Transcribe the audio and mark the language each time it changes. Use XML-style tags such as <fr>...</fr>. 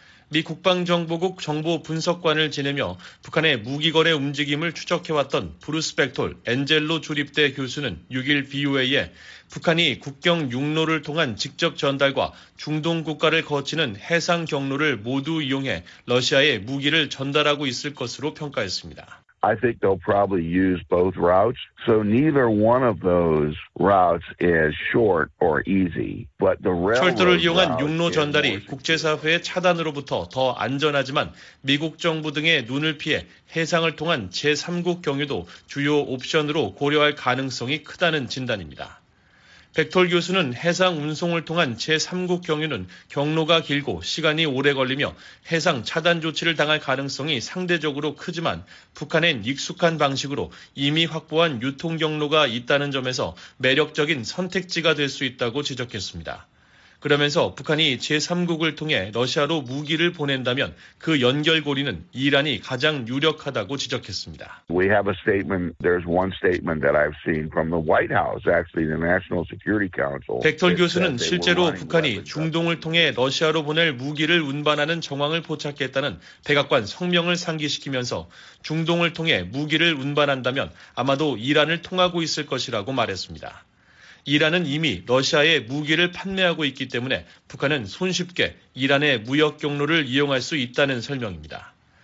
<ko>미 국방정보국 정보분석관을 지내며 북한의 무기거래 움직임을 추적해왔던 브루스 백톨 엔젤로 조립대 교수는 6일 BOA에 북한이 국경 육로를 통한 직접 전달과 중동 국가를 거치는 해상 경로를 모두 이용해 러시아에 무기를 전달하고 있을 것으로 평가했습니다.</ko> <en>I think they'll probably use both routes. So neither one of those routes is short or easy. But the railroad</en> <ko>철도를 이용한 육로 전달이 국제사회의 차단으로부터 더 안전하지만 미국 정부 등의 눈을 피해 해상을 통한 제3국 경유도 주요 옵션으로 고려할 가능성이 크다는 진단입니다. 백톨 교수는 해상 운송을 통한 제3국 경유는 경로가 길고 시간이 오래 걸리며 해상 차단 조치를 당할 가능성이 상대적으로 크지만 북한엔 익숙한 방식으로 이미 확보한 유통 경로가 있다는 점에서 매력적인 선택지가 될 수 있다고 지적했습니다. 그러면서 북한이 제3국을 통해 러시아로 무기를 보낸다면 그 연결고리는 이란이 가장 유력하다고 지적했습니다.</ko> <en>We have a statement. There's one statement that I've seen from the White House, actually the National Security Council.</en> <ko>백털 교수는 실제로 북한이 중동을 통해 러시아로 보낼 무기를 운반하는 정황을 포착했다는 백악관 성명을 상기시키면서 중동을 통해 무기를 운반한다면 아마도 이란을 통하고 있을 것이라고 말했습니다. 이란은 이미 러시아에 무기를 판매하고 있기 때문에 북한은 손쉽게 이란의 무역 경로를 이용할 수 있다는 설명입니다.</ko>